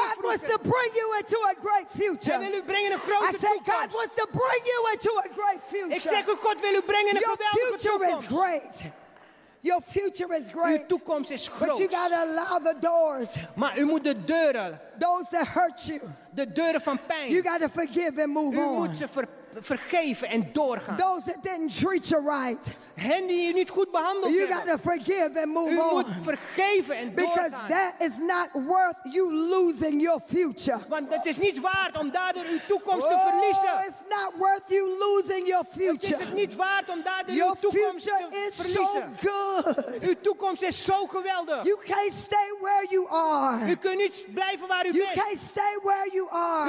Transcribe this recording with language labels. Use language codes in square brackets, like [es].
[nl] toekomst. [en] God wants to bring you into a great future. [nl] Hij wil u brengen in een grote toekomst. [en] I said God wants to bring you into a great future. [nl] Ik zeg God wil u brengen in een geweldige toekomst. [en] Your future is great. Your future is great. [nl] Uw toekomst is groot. [en] But you gotta allow the doors. [nl] Maar u moet de deuren. [en] Those that hurt you. [nl] De deuren van pijn. [en] You gotta forgive and move [nl] u [en] on. [nl] U moet ze vergeven en doorgaan. [en] Those that didn't treat you right. [nl] Hen die je niet goed behandeld [en] you gotta forgive and move [nl] u [en] on. [nl] U moet vergeven en [en] because [nl] doorgaan. [en] Because that is not worth you losing your future. [nl] Want het is niet waard om daardoor uw toekomst te verliezen. [en] It's not worth you losing your future. [nl] Het is niet waard om daardoor [en] your [nl] uw toekomst te [en] is [nl] verliezen. [en] So good. [nl] Uw toekomst is zo geweldig. [en] You can't stay where you are. [nl] U kunt niet blijven waar u [en] you [nl] bent. [en] Can't stay where you are.